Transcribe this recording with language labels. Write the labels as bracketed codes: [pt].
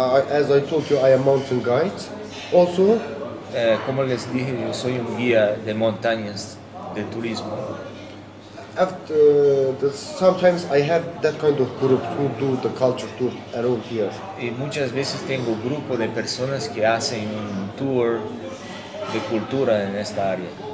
[en] As I told you, I am mountain guide. Also, [es] como les dije, yo soy un guía de montañas de turismo. [en] After sometimes I have that kind of group who do the culture tour around here. [es] Y muchas veces tengo grupo de personas que hacen un tour de cultura en esta área.